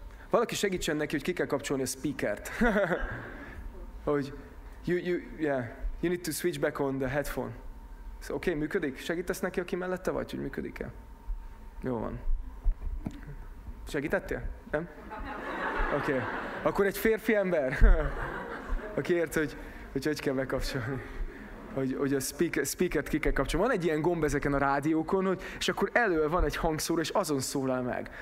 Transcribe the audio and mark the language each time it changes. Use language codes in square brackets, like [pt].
[hu] Valaki segítsen neki, hogy ki kell kapcsolni a speakert. [en] Hogy you need to switch back on the headphone. [hu] So, okay, működik? Segítesz neki, aki mellette vagy, hogy működik-e? Jó van. Segítettél? Nem? Okay. Akkor egy férfi ember, aki ért, hogy kell bekapcsolni. Hogy a speakert ki kell kapcsolni. Van egy ilyen gomb ezeken a rádiókon, és akkor elő van egy hangszóró, és azon szólal meg.